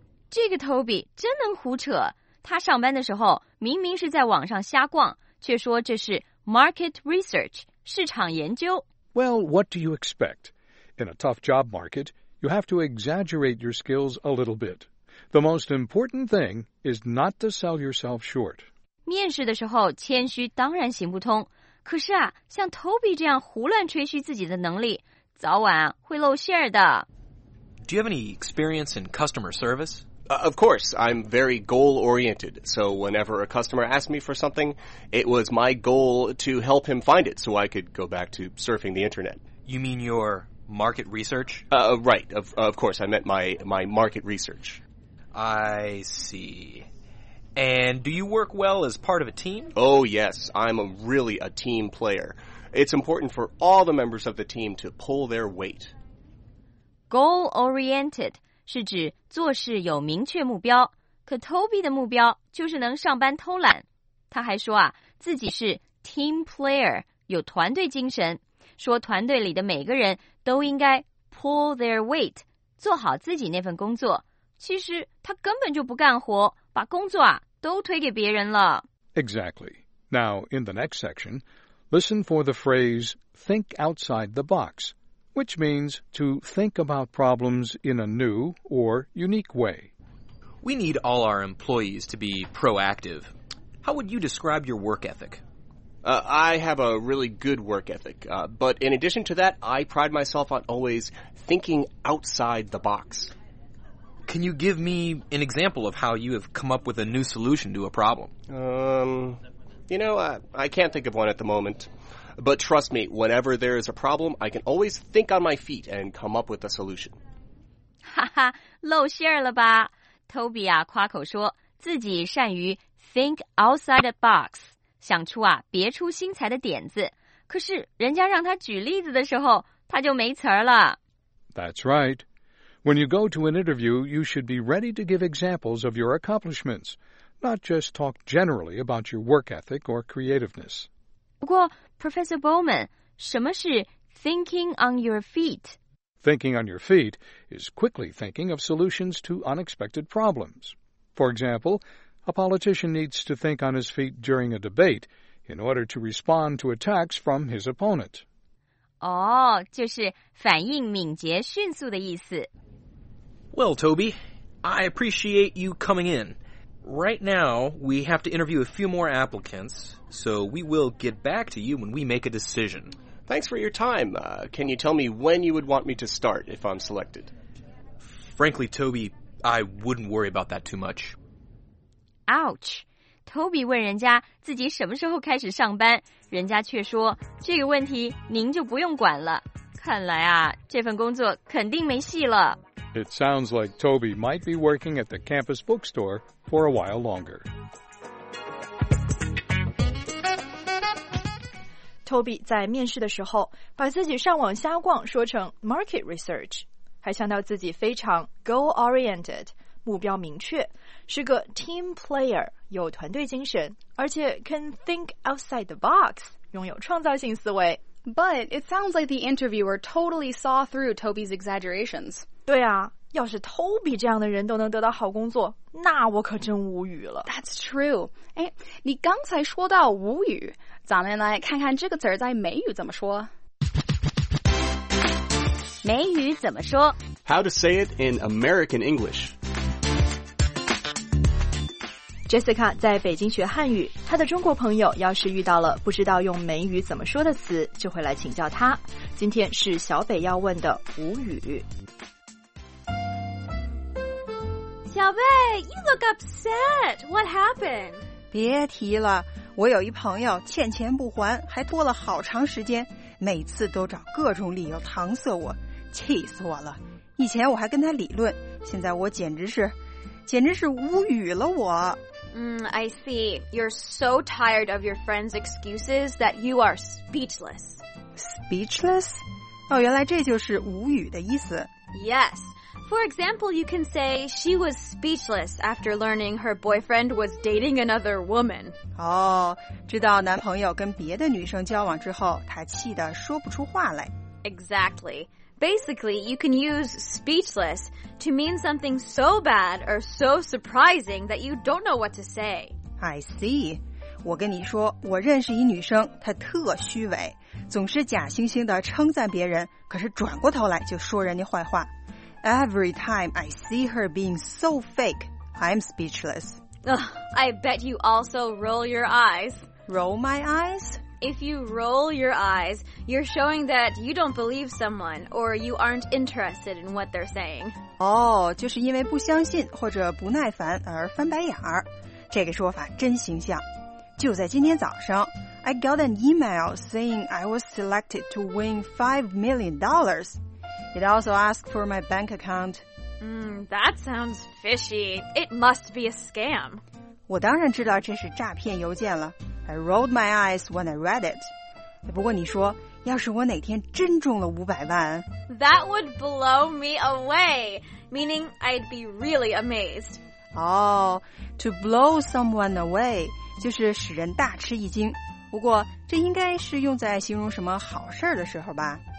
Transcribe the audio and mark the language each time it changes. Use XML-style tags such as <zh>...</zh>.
<zh>这个 Toby 真能胡扯。他上班的时候明明是在网上瞎逛，却说这是</zh> <en>market research,</en> <zh>市场研究。</zh> <en>Well, what do you expect? In a tough job market... You have to exaggerate your skills a little bit. The most important thing is not to sell yourself short.</en> <zh>面试的时候谦虚当然行不通，可是啊，像 Toby 这样胡乱吹嘘自己的能力，早晚会露馅儿的。</zh> <en>Do you have any experience in customer service? Of course, I'm very goal-oriented. So whenever a customer asked me for something, it was my goal to help him find it so I could go back to surfing the internet. You mean your... Market research? Right. Of course, I meant my market research. I see. And do you work well as part of a team? Oh, yes. I'm really a team player. It's important for all the members of the team to pull their weight.</en> <zh>Goal-oriented 是指做事有明确目标。可 Toby 的目标就是能上班偷懒。他还说啊，自己是</zh> <en>team player,</en> <zh>有团队精神。说团队里的每个人都应该</zh> <en>pull their weight,</en> <zh>做好自己那份工作。其实他根本就不干活，把工作啊都推给别人了。</zh> <en>Exactly. Now, in the next section, listen for the phrase, think outside the box, which means to think about problems in a new or unique way. We need all our employees to be proactive. How would you describe your work ethic? I have a really good work ethic, but in addition to that, I pride myself on always thinking outside the box. Can you give me an example of how you have come up with a new solution to a problem? I can't think of one at the moment. But trust me, whenever there is a problem, I can always think on my feet and come up with a solution.</en> <zh>哈哈，露馅了吧。Toby 啊，夸口说自己善于</zh> <en>think outside the box.</en> <zh>想出啊别出心裁的点子，可是人家让他举例子的时候他就没词儿了。</zh> <en>That's right. When you go to an interview, you should be ready to give examples of your accomplishments, not just talk generally about your work ethic or creativeness.</en> <zh>不过 Professor Bowman, 什么是</zh> <en>thinking on your feet. Thinking on your feet is quickly thinking of solutions to unexpected problems. For example, a politician needs to think on his feet during a debate in order to respond to attacks from his opponent.</en> <zh>哦，就是反应敏捷、迅速的意思。</zh> <en>Well, Toby, I appreciate you coming in. Right now, we have to interview a few more applicants, so we will get back to you when we make a decision. Thanks for your time. Can you tell me when you would want me to start if I'm selected? Frankly, Toby, I wouldn't worry about that too much. Ouch!</en> <zh>Toby 问人家自己什么时候开始上班，人家却说，这个问题您就不用管了。看来啊，这份工作肯定没戏了。</zh> <en>It sounds like Toby might be working at the campus bookstore for a while longer.</en> <zh>Toby 在面试的时候把自己上网瞎逛说成</zh> <en>market research，</en> <zh>还强调自己非常</zh> <en>goal oriented，</en> <zh>目标明确，是个</zh> <en>team player，</en> <zh>有团队精神，而且</zh> <en>can think outside the box，</en> <zh>拥有创造性思维。</zh> <en>But it sounds like the interviewer totally saw through Toby's exaggerations.</en> <zh>对啊，要是 Toby 这样的人都能得到好工作，那我可真无语了。</zh> <en>That's true.</en> <zh>哎，你刚才说到无语，咱们来看看这个词在美语怎么说。美语怎么说？</zh> <en>How to say it in American English.</en> <zh>Jessica 在北京学汉语，她的中国朋友要是遇到了不知道用美语怎么说的词，就会来请教她。今天是小北要问的无语。</zh> <en>小贝 ，You look upset. What happened?</en> <zh>别提了，我有一朋友欠钱不还，还拖了好长时间，每次都找各种理由搪塞我，气死我了。以前我还跟他理论，现在我简直是无语了我。</zh> <en>I see. You're so tired of your friend's excuses that you are speechless. Speechless?</en> <zh>哦，原来这就是无语的意思。</zh> <en>Yes. For example, you can say she was speechless after learning her boyfriend was dating another woman.</en> <zh>哦，知道男朋友跟别的女生交往之后，她气得说不出话来。</zh> <en>Exactly. Basically, you can use speechless to mean something so bad or so surprising that you don't know what to say. I see.</en> <zh>我跟你说，我认识一女生，她特虚伪，总是假惺惺地称赞别人，可是转过头来就说人家坏话。</zh> <en>Every time I see her being so fake, I'm speechless. Ugh, I bet you also roll your eyes. Roll my eyes? If you roll your eyes, you're showing that you don't believe someone or you aren't interested in what they're saying.</en> <zh>Oh, 就是因为不相信或者不耐烦而翻白眼儿。这个说法真形象。就在今天早上</zh> <en>,I got an email saying I was selected to win $5 million. It also asked for my bank account. That sounds fishy. It must be a scam.</en> <zh>我当然知道这是诈骗邮件了。</zh> <en>I rolled my eyes when I read it.</en> <zh>不过你说，要是我哪天真中了500万</zh> <en>That would blow me away. Meaning I'd be really amazed.</en> <zh>Oh,</zh> <en>to blow someone away</en> <zh>就是使人大吃一惊。不过这应该是用在形容什么好事的时候吧。</zh>